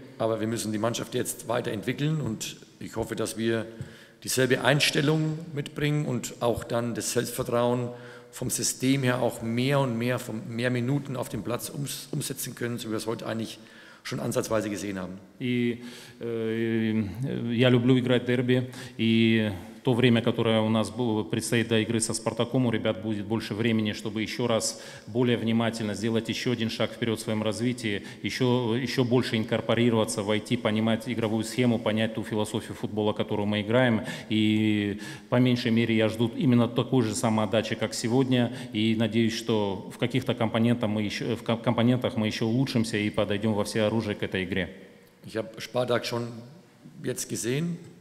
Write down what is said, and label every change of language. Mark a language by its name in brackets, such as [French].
[German] Aber wir müssen die Mannschaft jetzt weiterentwickeln und ich hoffe, dass wir dieselbe Einstellung mitbringen und auch dann das Selbstvertrauen vom System her auch mehr und mehr von mehr Minuten auf dem Platz umsetzen können, so wie wir es heute eigentlich schon ansatzweise gesehen haben. [Russian] Я люблю играть дерби, и то время, которое у нас предстоит до игры со Спартаком, у ребят будет больше времени, чтобы еще раз более внимательно сделать еще один шаг вперед в своем развитии, еще больше инкорпорироваться, войти, понимать игровую схему, понять ту философию футбола, которую мы играем. И по меньшей мере я жду именно такой же самоотдачи, как сегодня. И надеюсь, что в каких-то компонентах мы еще улучшимся и подойдем во все оружие к этой игре. Я Спартак [German] schon jetzt gesehen.